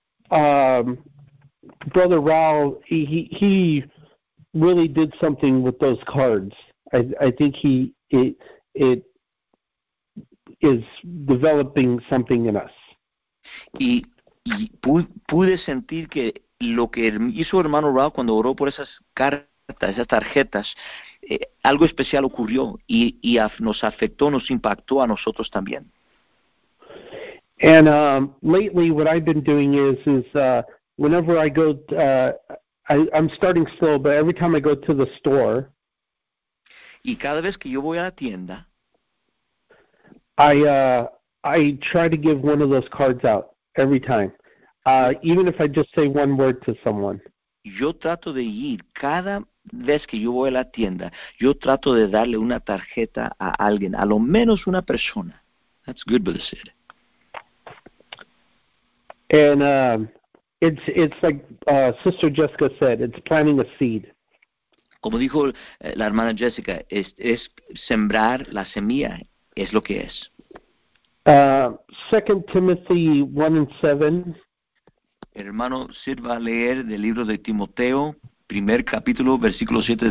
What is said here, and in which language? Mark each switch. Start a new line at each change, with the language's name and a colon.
English: And Brother Raul, he really did something with those cards. I think it is developing something in us.
Spanish: Y pude sentir que lo que hizo hermano Raúl cuando oró por esas cartas, esas tarjetas, algo especial ocurrió y nos afectó, nos impactó a nosotros también.
English: And lately what I've been doing is whenever I go, I'm starting slow, but every time I go to the store.
Spanish: Y cada vez que yo voy a la tienda.
English: I try to give one of those cards out every time. Even if I just say one word to someone.
Spanish: Yo trato de ir cada vez que yo voy a la tienda. Yo trato de darle una tarjeta a alguien, a lo menos una persona.
English: That's good, Brother Sid. And it's like Sister Jessica said, it's planting a seed.
Spanish: Como dijo la hermana Jessica, es sembrar la semilla, es lo que es.
English: 2 Timothy 1:7.
Spanish: Hermano Sid va a leer del libro de Timoteo, primer capítulo, versículo 7.